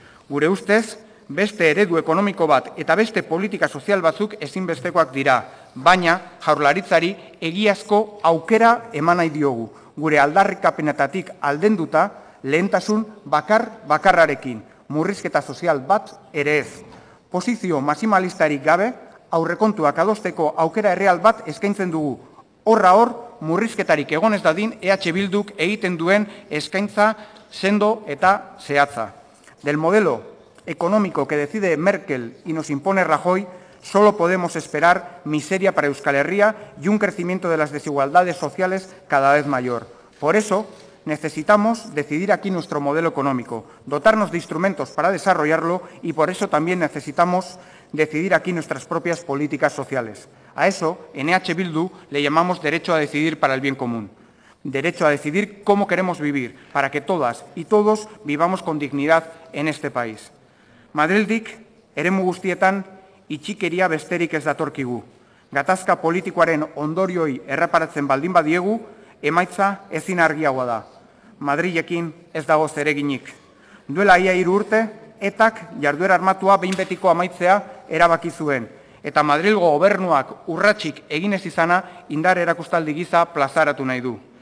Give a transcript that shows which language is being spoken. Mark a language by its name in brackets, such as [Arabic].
[Basque] Gure ustez, beste eredu ekonomiko bat eta beste politika sozial batzuk ezinbestekoak dira, baina Jaurlaritzari egiazko aukera eman nahi diogu, gure aldarrikapenetatik aldenduta lehentasun bakarrarekin, murrizketa sozial bat ere ez. Posizio maximalistarik gabe, aurrekontuak adosteko aukera erreal bat eskaintzen dugu. Horra hor, murrizketarik egon ez dadin EH Bilduk egiten duen eskaintza sendo eta zehatza. [Spanish] Del modelo económico que decide Merkel y nos impone Rajoy, solo podemos esperar miseria para Euskal Herria y un crecimiento de las desigualdades sociales cada vez mayor. Por eso, necesitamos decidir aquí nuestro modelo económico, dotarnos de instrumentos para desarrollarlo y por eso también necesitamos decidir aquí nuestras propias políticas sociales. A eso, en EH Bildu le llamamos derecho a decidir para el bien común. Derecho a decidir cómo queremos vivir, para que todas y todos vivamos con dignidad en este país. [Basque] Madrildik, eremu guztietan, itxikeria besterik ez datorkigu. Gatazka politikoaren ondorioi erreparatzen baldin badiegu, emaitza ezin argiagoa da. Madrilekin ez dago zereginik. Duela ia 3 urte, etak jarduera armatua behin betiko amaitzea erabaki zuen, eta Madrilgo gobernuak urratsik eginez izana indar erakustaldi giza plazaratu nahi du.